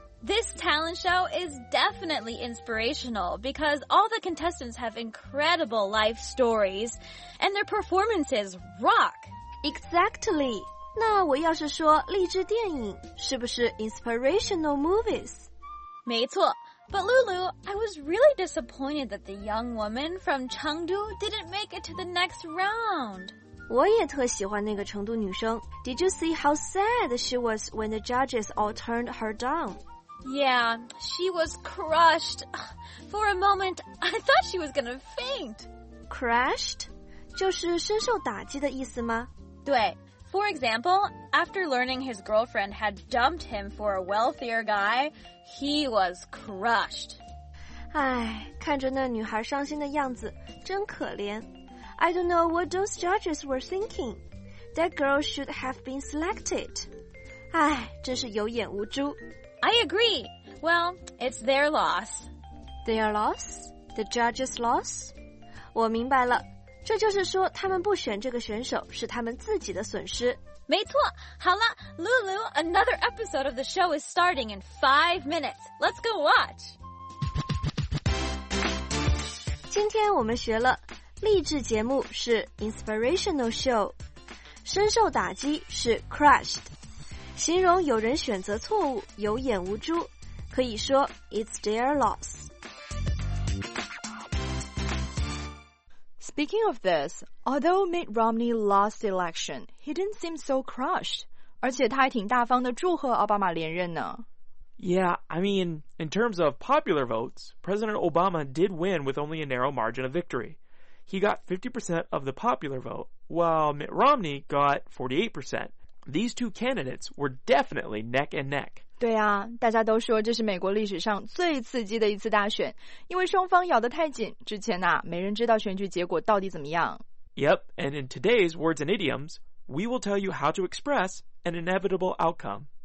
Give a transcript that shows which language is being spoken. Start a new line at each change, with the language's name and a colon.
English: This talent show is definitely inspirational because all the contestants have incredible life stories and their performances rock. Exactly.
Chinese: 那我要是说励志电影，是不是 inspirational movies? 没错。
English: But Lulu, I was really disappointed that the young woman from Chengdu didn't make it to the next round.
Chinese: 我也特喜欢那个成都女生。
English: Did you see how sad she was when the judges all turned her down? Yeah, she was crushed. For a moment, I thought she was gonna faint. Crushed?
Chinese: 就是深受打击的意思吗？
English: 对。For example, after learning his girlfriend had dumped him for a wealthier guy, he was crushed.
Chinese: 唉，看着那女孩伤心的样子，真可怜。
English: I don't know what those judges were thinking. That girl should have been selected.
Chinese: 唉，真是有眼无珠。
English: I agree. Well, it's their loss. Their loss? The judges' loss?
Chinese: 我明白了。这就是说他们不选这个选手是他们自己的损失。没错。好了
English: ,Lulu, another episode of the show is starting in 5 minutes. Let's go watch!
Chinese: 今天我们学了励志节目是 inspirational show， 深受打击是 crushed， 形容有人选择错误，有眼无珠，可以说 it's their loss。
English: Speaking of this, although Mitt Romney lost the election, he didn't seem so crushed.
Chinese: 而且他还挺大方地祝贺奥巴马连任呢。
English: Yeah, I mean, in terms of popular votes, President Obama did win with only a narrow margin of victory. He got 50% of the popular vote, while Mitt Romney got 48%. These two candidates were definitely neck and neck.
Chinese: 对啊，大家都说这是美国历史上最刺激的一次大选，因为双方咬得太紧，之前啊，没人知道选举结果到底怎么样。
English: Yep, and in today's words and idioms, we will tell you how to express an inevitable outcome.